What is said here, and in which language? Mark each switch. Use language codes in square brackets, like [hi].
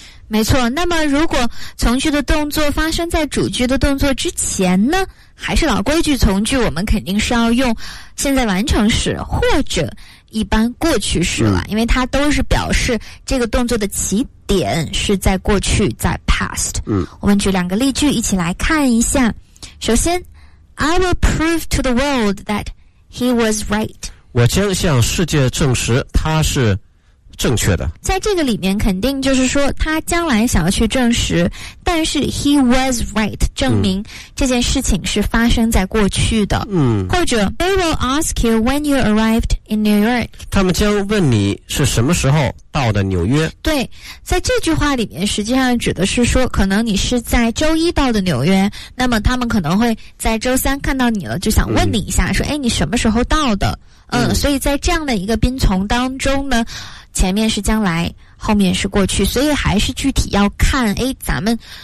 [zh] 没错，那么如果从句的动作发生在主句的动作之前呢，还是老规矩，从句我们肯定是要用现在完成时或者一般过去时了，因为它都是表示这个动作的起点是在过去，在 past。我们举两个例句一起来看一下。 [en] 首先 I will prove to the world that he was right， [zh] 我将向世界证实他是正确的。在这个里面肯定就是说他将来想要去证实，但是 [en] he was right [zh] 证明这件事情是发生在过去的。 [en] 或者 they will ask you when you arrived in New York， [zh] 他们将问你是什么时候到的纽约。对，在这句话里面实际上指的是说可能你是在周一到的纽约，那么他们可能会在周三看到你了，就想问你一下说哎，你什么时候到的。所以在这样的一个宾从当中呢，前面是将来，后面是过去，所以还是具体要看，哎，咱们